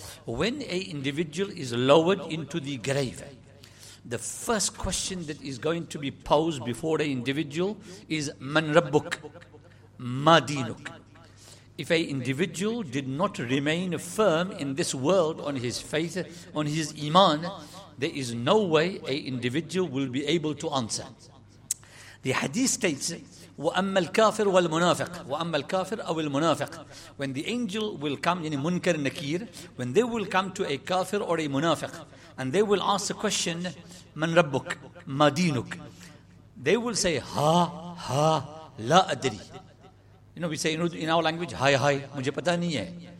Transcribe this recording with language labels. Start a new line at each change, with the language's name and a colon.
English: When an individual is lowered into the grave, the first question that is going to be posed before an individual is Man Rabbuk, Ma Deenuk. If an individual did not remain firm in this world on his faith, on his iman, there is no way an individual will be able to answer. The hadith states,
Arabic: وَأَمَّا الْكَافِرُ وَالْمُنَافِقُ وَأَمَّا الْكَافِرُ أَوِ الْمُنَافِقُ.
English: When the angel will come, يعني منكر نكير, when they will come to a kafir or a munafiq, and they will ask the question, Man Rabbuk, Ma Deenuk. They will say,
Arabic: Ha, Ha, La Adri.
English: You know, we say in our language,
Urdu: Hai, Hai, Mujhe Pata Nahi Hai.